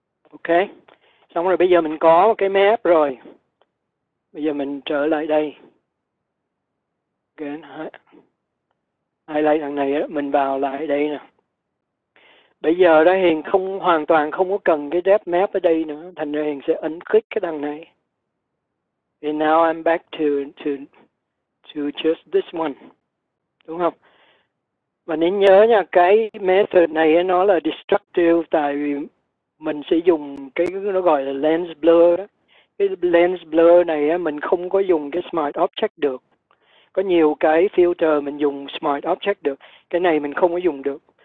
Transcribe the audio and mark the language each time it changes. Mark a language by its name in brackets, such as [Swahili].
[Vietnamese] Ok, xong rồi bây giờ mình có một cái map rồi. Bây giờ mình trở lại đây. Again, highlight thằng này, mình vào lại đây nè. Bây giờ đó hiện không hoàn toàn không có cần cái depth map ở đây nữa. Thành ra hiện sẽ unclick cái thằng này. [English] And now I'm back to just this one. [Vietnamese] Đúng không? Và nên nhớ nha, cái method này nó là destructive tại vì mình sử dụng cái nó gọi là lens blur. Cái lens blur này mình không có dùng cái smart object được. Có nhiều cái filter mình dùng smart object được, cái này mình không có dùng được.